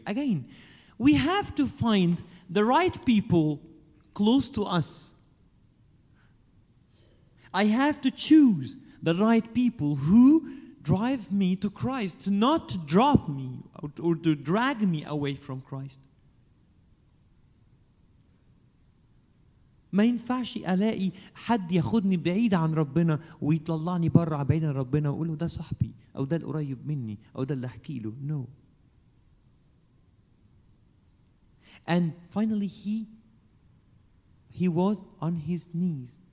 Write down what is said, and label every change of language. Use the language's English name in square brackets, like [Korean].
[English] Again, we have to find the right people close to us. I have to choose the right people who drive me to Christ, not to drop me or to drag me away from Christ. [Arabic] ما ينفعش ألاقي حد ياخدني بعيد عن ربنا ويطلعني برا بعيد عن ربنا وقوله ده صحبي أو ده القريب مني أو ده اللي أحكي له. [English] No. And finally he was on his knees.